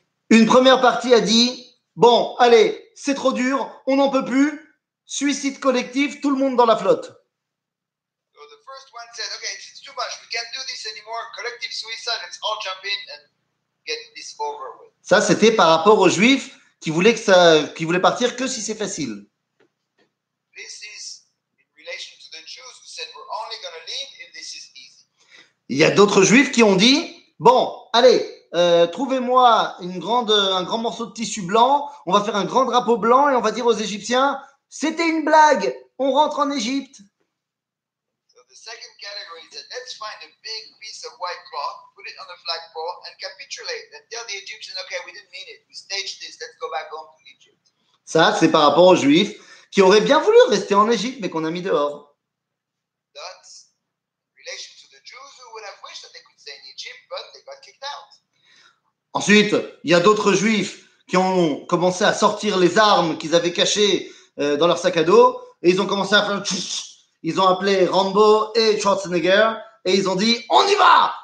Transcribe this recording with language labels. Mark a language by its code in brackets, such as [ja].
[fr] Une première partie a dit, bon, allez, c'est trop dur, on n'en peut plus, suicide collectif, tout le monde dans la flotte. [en] So the first one said, okay, it's too much, we can't do this anymore, collective suicide, let's all jump in and get this over with. [fr] Ça, c'était par rapport aux Juifs qui voulaient partir que si c'est facile. [en] This is in relation to the Jews who said we're only going to leave if this is easy. [fr] Il y a d'autres Juifs qui ont dit, bon, allez, trouvez-moi un grand morceau de tissu blanc, on va faire un grand drapeau blanc et on va dire aux Égyptiens, c'était une blague, on rentre en Égypte. [en] So the second category is that let's find a big piece of white cloth, put it on the flagpole and capitulate and tell the Egyptians, okay, we didn't mean it, we staged this, let's go back home to Egypt. [fr] Ça, c'est par rapport aux Juifs qui auraient bien voulu rester en Égypte mais qu'on a mis dehors. [en] That's relation to the Jews who would have wished that they could stay in Egypt, but they got kicked out. [fr] Ensuite, il y a d'autres Juifs qui ont commencé à sortir les armes qu'ils avaient cachées dans leur sac à dos et ils ont commencé à faire tchouf, ils ont appelé Rambo et Schwarzenegger et ils ont dit « On y va!